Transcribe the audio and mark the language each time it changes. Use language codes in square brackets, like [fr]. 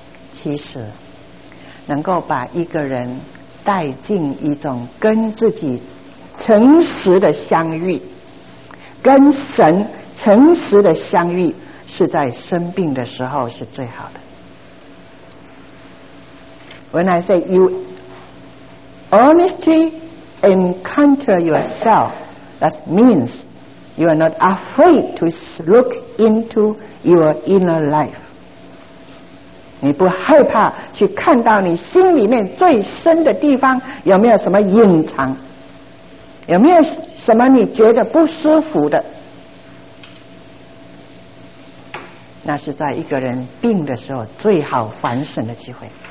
[zh] 其实能够把一个人带进一种跟自己诚实的相遇、跟神诚实的相遇，是在生病的时候是最好的。 [en] When I say you honestly encounter yourself, that meansYou are not afraid to look into your inner life. [zh] 你不害怕去看到你心里面最深的地方有没有什么隐藏，有没有什么你觉得不舒服的？那是在一个人病的时候最好反省的机会。